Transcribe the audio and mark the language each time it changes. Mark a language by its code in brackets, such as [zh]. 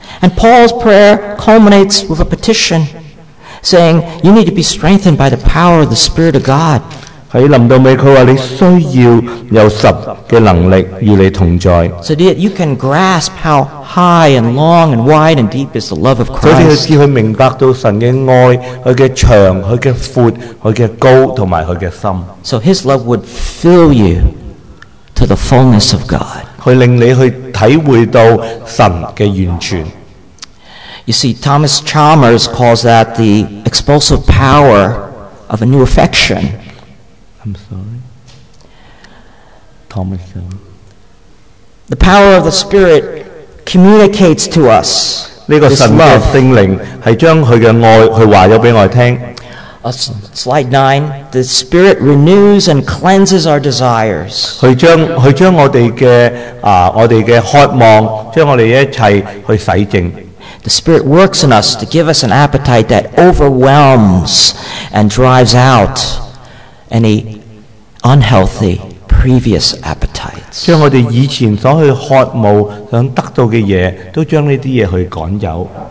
[en] And Paul's prayer culminates with a petition, saying you need to be strengthened by the power of the Spirit of God. [yue] 喺臨到尾，佢話你需要有神嘅能力與你同在。 [en] So that you can grasp how high and long and wide and deep is the love of Christ. [yue] 所以你要去明白到神嘅愛，佢嘅長、佢嘅闊、佢嘅高同埋佢嘅深。 [en] So His love would fill you to the fullness of God. [yue] 去令你去體會到神嘅完全。 [en] You see, Thomas Chalmers calls that the expulsive power of a new affection. The power of the Spirit communicates to us. [yue] 呢個神嘅聖靈係將佢嘅愛去話咗俾我聽。 [en] Slide 9. The Spirit renews and cleanses our desires. [yue] 佢將我哋嘅我哋嘅渴望，將我哋一切去洗淨。 [en] The Spirit works in us to give us an appetite that overwhelms and drives out any unhealthy previous appetites. [yue] 將我哋以前所去渴慕、想得到嘅嘢，都將呢啲嘢去趕走。